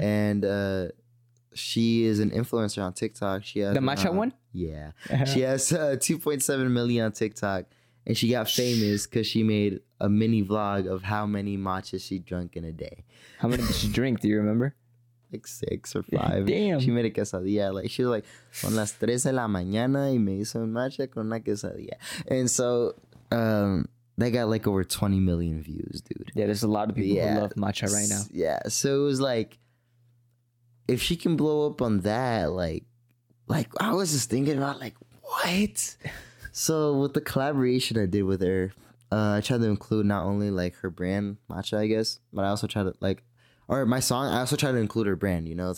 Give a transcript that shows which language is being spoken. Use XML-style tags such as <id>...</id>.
<en>And she is an influencer on TikTok. She has the matcha one? Yeah. She has 2.7 million on TikTok. And she got famous because she made a mini vlog of how many matcha she drank in a day. How many did she drink? Do you remember? Like 6 or 5. Damn. She made a quesadilla. Like, she was like,</en> <es>son las 3 de la mañana y me hizo un matcha con una quesadilla.</es> <en>And so they got like over 20 million views, dude. Yeah, there's a lot of people who love matcha right now. Yeah. So it was like, if she can blow up on that, like I was just thinking about like, what? So with the collaboration I did with her, I tried to include not only like her brand matcha, I guess, but I also tried to like, or my song, I also tried to include her brand, you know?</en>